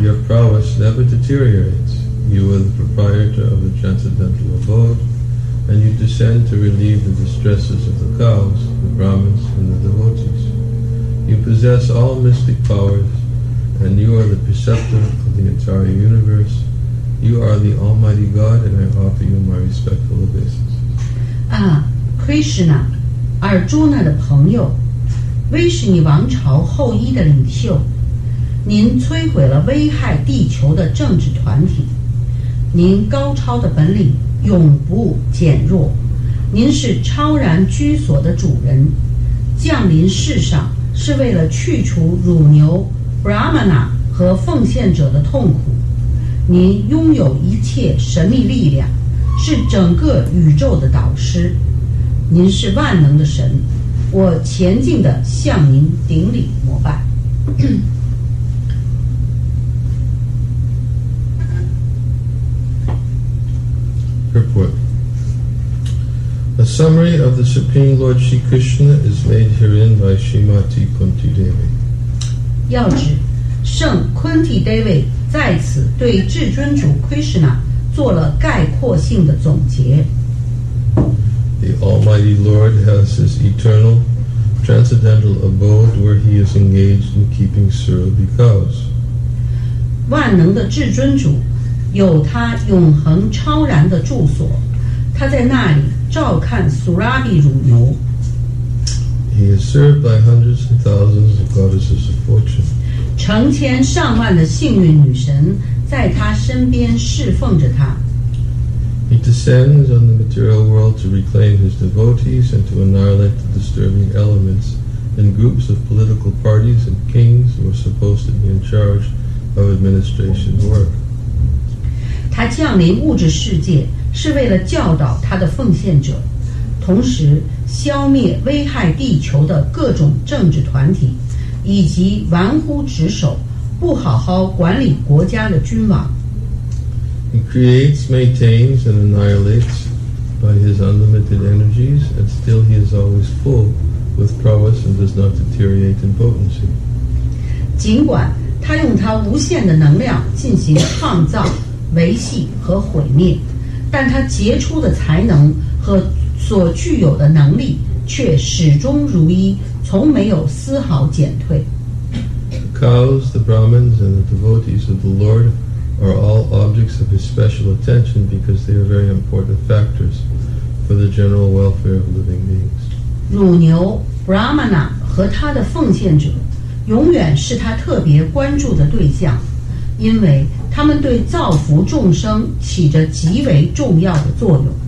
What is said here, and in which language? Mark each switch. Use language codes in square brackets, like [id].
[en] Your prowess never deteriorates. You are the proprietor of the transcendental abode, and you descend to relieve the distresses of the cows, the Brahmins, and the devotees. You possess all mystic powers, and you are the preceptor of the entire universe. You are the Almighty God, and I offer you my respectful obeisances. [zh] Krishna, Arjuna的朋友, Vishnu王朝后裔的领袖, 您摧毁了危害地球的政治团体, 您高超的本领永不减弱, 您是超然居所的主人, 降临世上, 是为了去除乳牛 Brahmana 和奉献者的痛苦您拥有一切神秘力量是整个宇宙的导师您是万能的神我虔敬地向您顶礼膜拜 [en] Purport A summary of the Supreme Lord Shri Krishna is made herein by Srimati Kunti Devi. [zh] 要知, 圣昆蒂·戴维在此对至尊主 Krishna 做了概括性的总结。 [en] The Almighty Lord has His eternal, transcendental abode where He is engaged in keeping Sura Bikas. [zh] 万能的至尊主有他永恒超然的住所，他在那里照看 Surabhi 乳牛。 [en] He is served by hundreds and thousands of goddesses of fortune. [zh] 成千上万的幸运女神在他身边侍奉着他。 [en] He descends on the material world to reclaim his devotees and to annihilate the disturbing elements and groups of political parties and kings who are supposed to be in charge of administration work. [zh] 他降临物质世界是为了教导他的奉献者，同时消灭危害地球的各种政治团体，以及玩忽职守、不好好管理国家的君王。 [en] He creates, maintains, and annihilates by his unlimited energies, and still he is always full with prowess and does not deteriorate in potency. [zh] 尽管他用他无限的能量进行创造、维系和毁灭，但他杰出的才能和所具有的能力却始终如一，从没有丝毫减退。 [en] The cows, the Brahmins, and the devotees of the Lord are all objects of his special attention because they are very important factors for the general welfare of living beings. [zh] 乳牛、Brahmana 和他的奉献者永远是他特别关注的对象，因为他们对造福众生起着极为重要的作用。